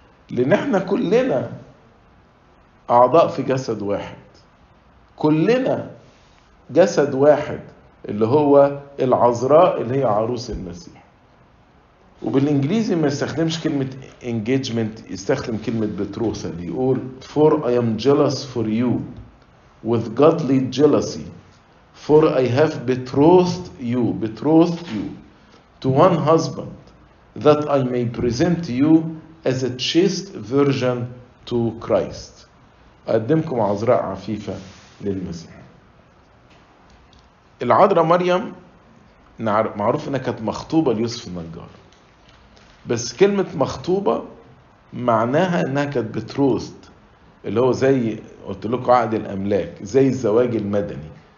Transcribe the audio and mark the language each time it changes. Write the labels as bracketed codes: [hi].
[ar] لأن احنا كلنا أعضاء في جسد واحد، كلنا جسد واحد، اللي هو العذراء اللي هي عروس المسيح. وبالإنجليزي ما يستخدمش كلمة engagement، يستخدم كلمة betrothal. يقول: [en] For I am jealous for you with godly jealousy, for I have betrothed you, betrothed you to one husband, that I may present you as a chaste virgin to Christ. [ar] أقدمكم عذراء عفيفة للمسيح. العذراء مريم معروف أنها كانت مخطوبة ليوسف النجار، بس كلمة مخطوبة معناها أنها كانت بتروست، اللي هو زي قلت لكم عقد الأملاك، زي الزواج المدني.